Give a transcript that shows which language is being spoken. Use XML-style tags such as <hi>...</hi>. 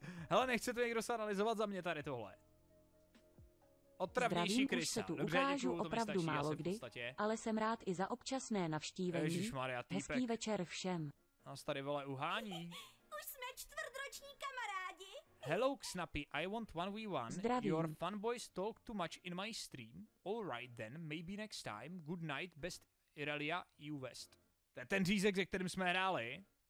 <cs>Hele, nechce to někdo zanalizovat za mě tady tohle. Otravnější zdravím, krysta. Už se tu ukážu opravdu stačí, málo kdy, ale jsem rád i za občasné navštívení. Ježišmarja, týpek. Hezký večer všem. Nás tady, vole, uhání. Už jsme čtvrtroční kamarádi.</cs> <en>Hello, Snappy, I want 1v1.</en> <cs>Zdravím.</cs> <en>Your fanboys talk too much in my stream. Alright then, maybe next time. Good night, best Irelia, you west.</en> <cs>To je ten řízek, ze kterým jsme hráli.</cs>